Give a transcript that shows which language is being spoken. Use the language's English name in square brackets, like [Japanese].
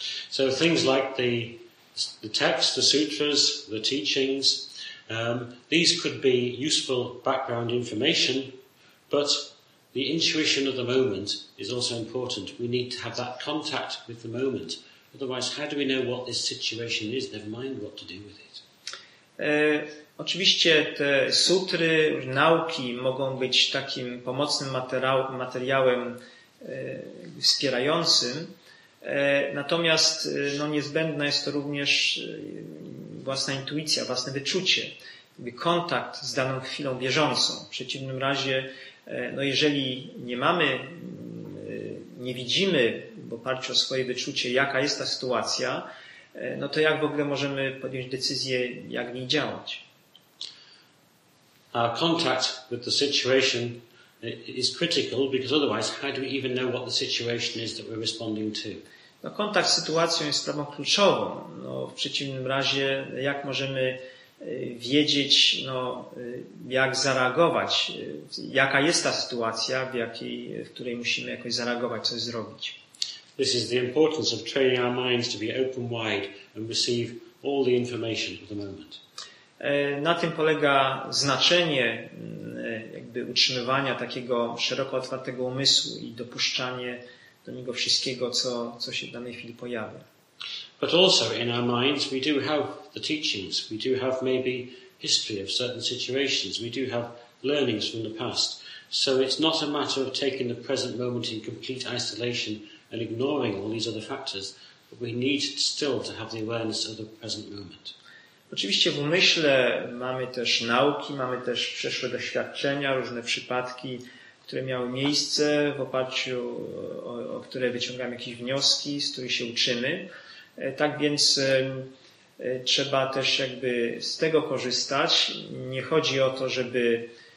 [English] So things like the texts, the sutras, the teachings, these could be useful background information, but the intuition of the moment is also important. We need to have that contact with the moment. Otherwise, how do we know what this situation is, never mind what to do with it? [Polish] Oczywiście te sutry, nauki mogą być takim pomocnym materiałem wspierającym. Natomiast no, niezbędna jest to również własna intuicja, własne wyczucie, kontakt z daną chwilą bieżącą. W przeciwnym razie, no, jeżeli nie mamy, nie widzimy w oparciu o swoje wyczucie, jaka jest ta sytuacja, no to jak w ogóle możemy podjąć decyzję, jak w niej działać? [English] Our contact with the situation is critical because otherwise how do we even know what the situation is that we're responding to? [Polish] No, kontakt z sytuacją jest sprawą kluczową. No, w przeciwnym razie, jak możemy wiedzieć, no, jak zareagować, jaka jest ta sytuacja, w której musimy jakoś zareagować, coś zrobić. [English] This is the importance of training our minds to be open wide and receive all the information at the moment. [Polish] Na tym polega znaczenie jakby utrzymywania takiego szeroko otwartego umysłu i dopuszczanie do niego wszystkiego, co się w danej chwili pojawia. [English] But also in our minds we do have the teachings, we do have maybe history of certain situations, we do have learnings from the past. So it's not a matter of taking the present moment in complete isolation and ignoring all these other factors, but we need still to have the awareness of the present moment. [Polish] Oczywiście w umyśle mamy też nauki, mamy też przeszłe doświadczenia, różne przypadki, które miały miejsce, w oparciu o które wyciągamy jakieś wnioski, z których się uczymy. Tak więc trzeba też jakby z tego korzystać. Nie chodzi o to, żeby